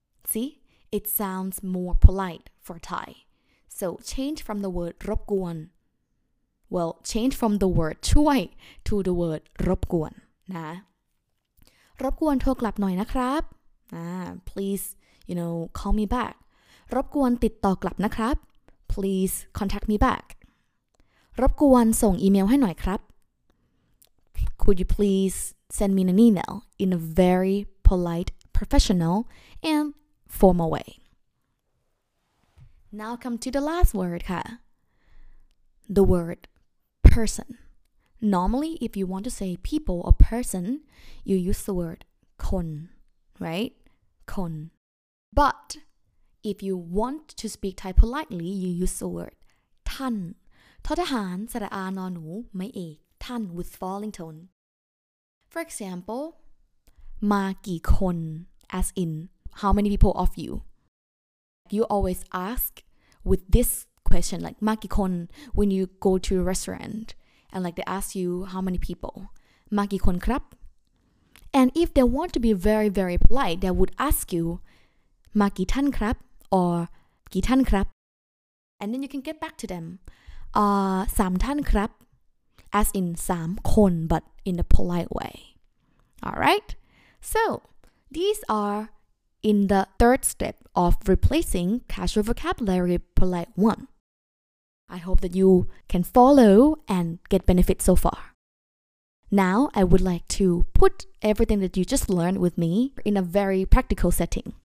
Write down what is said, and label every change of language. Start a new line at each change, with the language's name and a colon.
English: see it sounds more polite for Thai so change from the word รบกวน well change from the word ช่วย to the word
Thai: รบกวนนะรบกวนโทรกลับหน่อยนะครับ
English: please you know call me back
Thai: รบกวนติดต่อกลับนะครับ
English: please contact me back
Thai: รบกวนส่งอีเมลให้หน่อยครับ
English: Could you please send me an email in a very polite, professional, and formal way? Now come to the last word ค่ะ The word person. Normally, if you want to say people or person, you use the word คน right? คน But if you want to speak Thai politely, you use the word ท่านททหารสระอานอหนูไม่เอกท่าน with falling tone for example
Thai: มากี่คน
English: as in how many people of you always ask with this question like
Thai: มากี่คน
English: when you go to a restaurant and like they ask you how many people
Thai: มากี่คนครับ
English: and if they want to be very very polite they would ask you
Thai: มากี่ท่านครับ
English: or
Thai: กี่ท่านครับ
English: and then you can get back to them
Thai: สามท่านครับ
English: as in สามคน but in a polite way alright so these are in the third step of replacing casual vocabulary polite one I hope that you can follow and get benefit so far now I would like to put everything that you just learned with me in a very practical setting